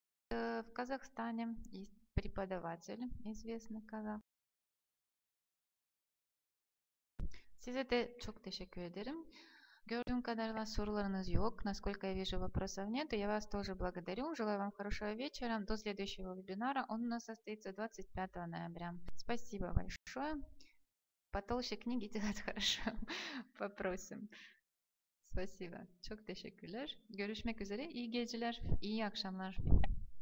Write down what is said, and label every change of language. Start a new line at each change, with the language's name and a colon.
Russian: В Казахстане есть преподаватель, известный казах.
Turkish: Size de çok teşekkür ederim. Gördüğüm kadarıyla sorularınız yok.
Russian: Насколько я вижу, вопросов нет. Я вас тоже благодарю. Желаю вам хорошего вечера. До следующего вебинара. Он у нас состоится 25 ноября. Спасибо большое. Потолще книги делать хорошо. Попросим. Спасибо.
Turkish: Çok teşekkürler. Görüşmek üzere. İyi geceler. İyi akşamlar.